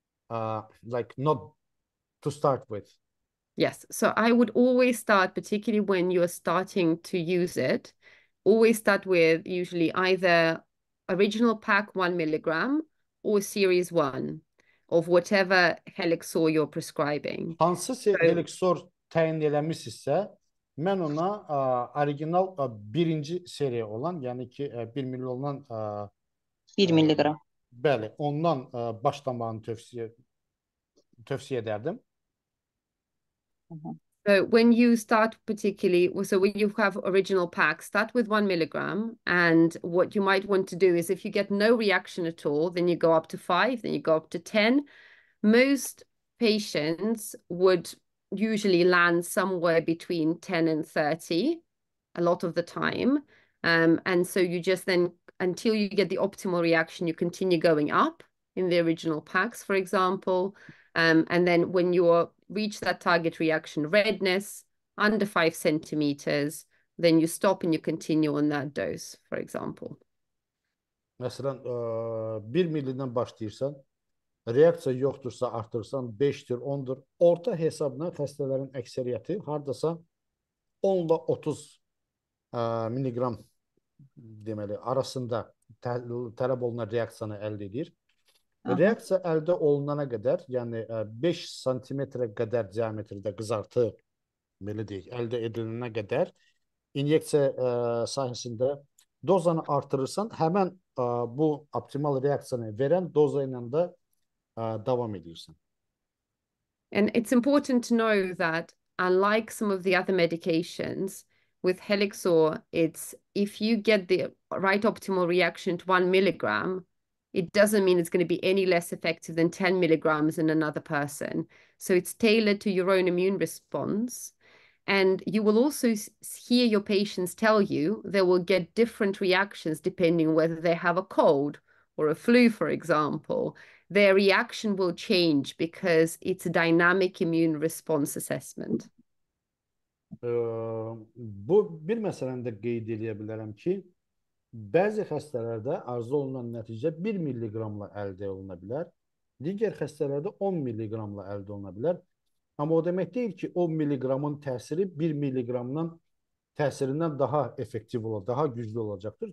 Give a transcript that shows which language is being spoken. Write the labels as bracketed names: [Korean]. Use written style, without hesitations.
[English] Like not to start with? Yes, so I would always start, particularly when you're starting to use it, always start with usually either original pack 1 milligram or series one of whatever Helixor you're prescribing. [Azerbaijani] Hansı Helixor təyin eləmisinizsə, mən ona original birinci seriya olan, yəni ki 1 ml olan 1 miligram. Bəli, ondan başlamağını tövsiyə edərdim. [English] So when you start particularly, so when you have original pack, start with 1 milligram. And what you might want to do is if you get no reaction at all, then you go up to 5, then you go up to 10. Most patients would usually land somewhere between 10 and 30 a lot of the time. And so you just then, until you get the optimal reaction, you continue going up in the original packs, for example. And then when you're reach that target reaction redness under 5 centimeters, then you stop and you continue on that dose, for example. [Azerbaijani] Məsələn, 1 millidən başlayırsan, reaksiya yoxdursa artırsan 5-dir, 10-dur. Orta hesabına xəstələrin əksəriyyəti hardasa 10 ilə 30 miligram deməli arasında tələb olunan reaksiyanı əldə edir. Reaksiya əldə olunana qədər, yəni 5 santimetrə qədər diametrdə qızartı belə deyək, əldə edilənə qədər inyeksiya sahəsində dozanı artırırsan, həmin bu optimal reaksiyanı verən doza ilə də davam edirsən. [English] And it's important to know that unlike some of the other medications, with Helixor, it's if you get the right optimal reaction to 1 milligram, it doesn't mean it's going to be any less effective than 10 milligrams in another person. So it's tailored to your own immune response. And you will also hear your patients tell you they will get different reactions depending whether they have a cold or a flu, for example. Their reaction will change because it's a dynamic immune response assessment. [Azerbaijani] Bu bir məsələni də qeyd edə bilərəm ki, bəzi xəstələrdə arzu olunan nəticə 1 miliqramla əldə oluna bilər, digər xəstələrdə 10 miliqramla əldə oluna bilər. Amma o demək deyil ki, 10 miliqramın təsiri 1 miliqramdan təsirindən daha effektiv olar, daha güclü olacaqdır.